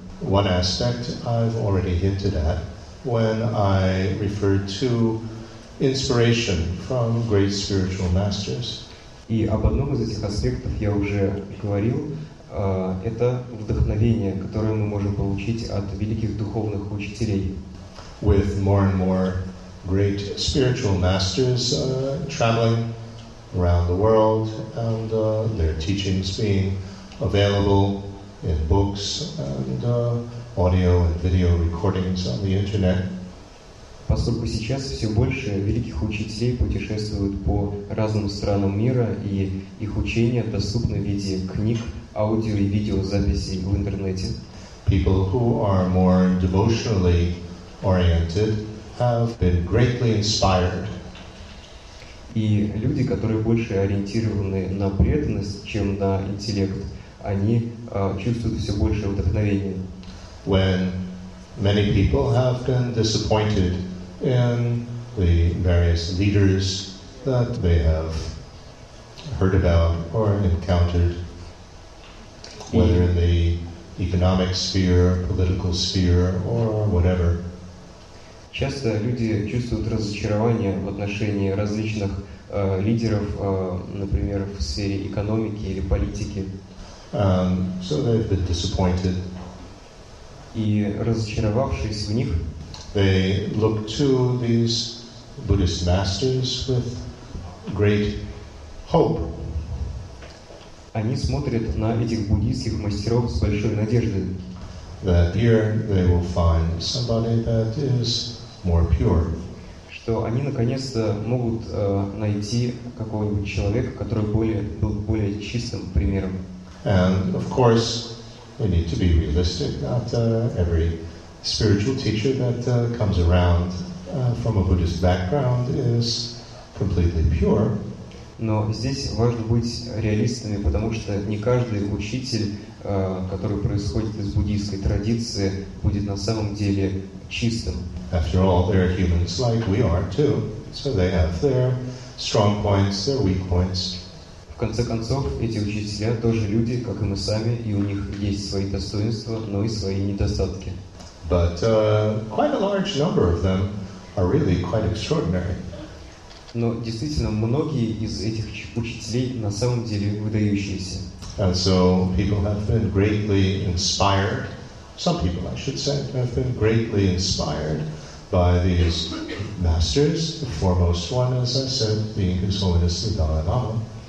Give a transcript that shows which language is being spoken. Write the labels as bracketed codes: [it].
[en] One aspect I've already hinted at when I referred to inspiration from great spiritual masters. [ru] И об одном из этих аспектов я уже говорил, это вдохновение, которое мы можем получить от великих духовных учителей. [en] With more and more great spiritual masters traveling around the world and their teachings being available in books and audio and video recordings on the internet. [ru] Поскольку сейчас все больше великих учителей путешествуют по разным странам мира, и их учения доступны в виде книг, аудио и видеозаписей в интернете. [en] People who are more devotionally oriented have been greatly inspired. [ru] И люди, которые больше ориентированы на преданность, чем на интеллект, они чувствуют все больше вдохновения. [en] When many people have been disappointed in the various leaders that they have heard about or encountered, whether in the economic sphere, political sphere, or whatever. [ru] Часто люди чувствуют разочарование в отношении различных лидеров, например, в сфере экономики или политики. [en] So they've been disappointed. [ru] И разочаровавшись в них, [en] they look to these Buddhist masters with great hope. [ru] Они смотрят на этих буддийских мастеров с большой надеждой. [en] That here they will find somebody that is more pure. [ru] Что они наконец-то могут найти какого-нибудь человека, который был более чистым примером. [en] And of course, we need to be realistic. Not every spiritual teacher that comes around from a Buddhist background is completely pure. [ru] Но здесь важно быть реалистами, потому что не каждый учитель, который происходит из буддийской традиции, будет на самом деле чистым. [en] After all, they're humans like we are too, so they have their strong points, their weak points. [ru] В конце концов, эти учителя тоже люди, как и мы сами, и у них есть свои достоинства, но и свои недостатки. [en] But quite a large number of them are really quite extraordinary. [ru] Но действительно, многие из этих учителей на самом деле выдающиеся. [en] And so people have been greatly inspired. Some people, I should say, have been greatly inspired by these masters. The foremost one, as I said, being His Holiness the Dalai Lama.